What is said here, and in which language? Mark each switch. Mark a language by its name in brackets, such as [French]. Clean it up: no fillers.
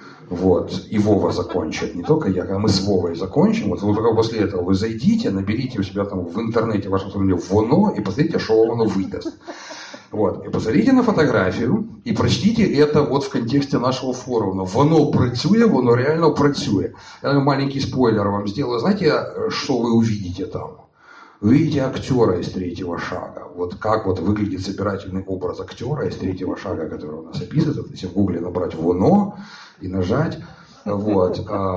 [Russian] Вот, и Вова закончит, не только я, а мы с Вовой закончим. Вот вы только после этого вы зайдите, наберите у себя там в интернете в вашем сомнении «воно» и посмотрите, что «воно» выдаст. Вот, и посмотрите на фотографию и прочтите это вот в контексте нашего форума. [Ukrainian] «Воно працює, воно реально працює». [Russian] Я маленький спойлер вам сделаю. Знаете, что вы увидите там? Вы видите актера из третьего шага. Вот как вот выглядит собирательный образ актера из третьего шага, который у нас описывается. Вот если в гугле набрать «воно» и нажать, вот.